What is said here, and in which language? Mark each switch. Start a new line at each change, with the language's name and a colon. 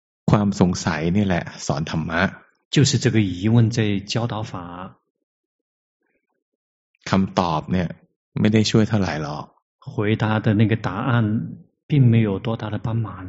Thai: ความสงสัยนี่แหละสอนธรรมะ
Chinese: 就是这个疑问在教导法
Thai: คำตอบเนี่ยไม่ได้ช่วยเท่าไหร่หรอก
Chinese: 回答的那个答案并没有多大的帮忙